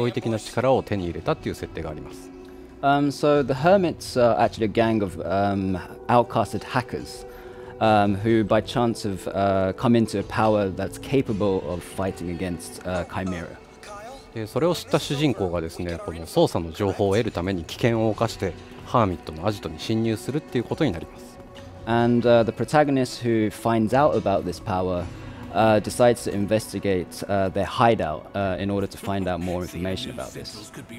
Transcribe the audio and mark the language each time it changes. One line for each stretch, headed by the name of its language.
Japanese: ハーミットっていうのはどういう集団なんですか?またインスピレーションはどこから得たんでしょうか?そうですね、このハーミットっていうのはこの世界の中では政府に見捨てられた、はみ出し者のハッカー集団なんですけど、ひょんなことからあのキメラに立ち向かえる驚異的な力を手に入れたっていう設定があります。
English: So the Hermits are actually a gang of outcasted hackers who by chance have come into a power that's capable of fighting against Chimera.
Japanese: それを知った主人公がですね、この操作の情報を得るために危険を冒してハーミットのアジトに侵入するっていうことになります。
English: And the protagonist who finds out about this power decides to investigate their hideout in order to find out more information about this.